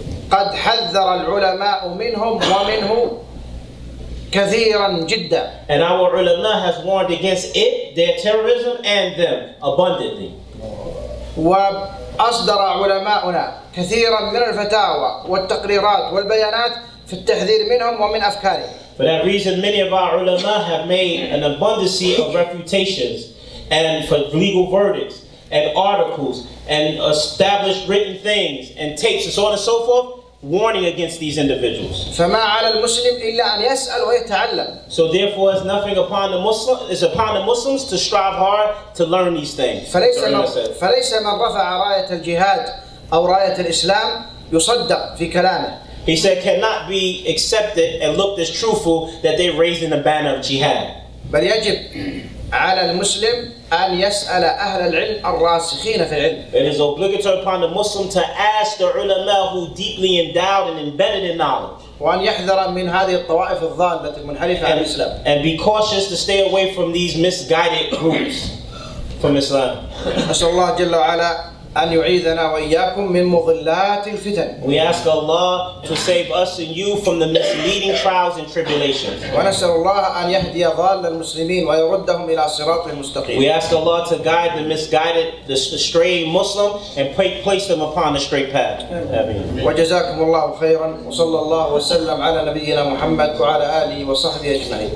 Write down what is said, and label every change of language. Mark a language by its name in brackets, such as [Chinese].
[Arabic] قد حذر العلماء منهم ومنه كثيرا جدا. [English] And our ulama has warned against it, their terrorism, and them abundantly. [Arabic] وأصدر علماؤنا كثيرا من الفتاوى والتقريرات والبيانات في التحذير منهم ومن أفكارهم. [English] For that reason, many of our ulama have made an abundance of refutations and for legal verdicts and articles and established written things and tapes and so on and so forth, warning against these individuals. [Arabic] فما على المسلم إلا أن يسأل ويتعلم. [English] So therefore, it's nothing upon the Muslim, it's upon the Muslims to strive hard to learn these things. [Arabic] فليس من رفع راية الجهاد أو راية الإسلام يصدق في كلامه. [English] He said, cannot be accepted and looked as truthful that they raised in the banner of jihad. [Arabic] بل يجب على المسلم أن يسأل أهل العلم الراسخين في العلم. [English] It is obligatory upon the Muslim to ask the ulama who deeply endowed and embedded in knowledge. [Arabic] وأن يحذر من هذه الطوائف الضالة المنحرفة عن الإسلام. [English] And be cautious to stay away from these misguided groups from Islam. [Arabic] أسأل الله جل وعلا أن يعيذنا وإياكم من مضلات الفتن. [English] We ask Allah to save us and you from the misleading trials and tribulations. [Arabic] ونسأل الله أن يهدي ضال المسلمين ويردهم إلى صراط المستقيم. [English] We ask Allah to guide the misguided, the straying Muslim, and place them upon the straight path. [Arabic] وجزاكم الله خيرا وصلى الله وسلم على نبينا محمد وعلى آله وصحبه أجمعين.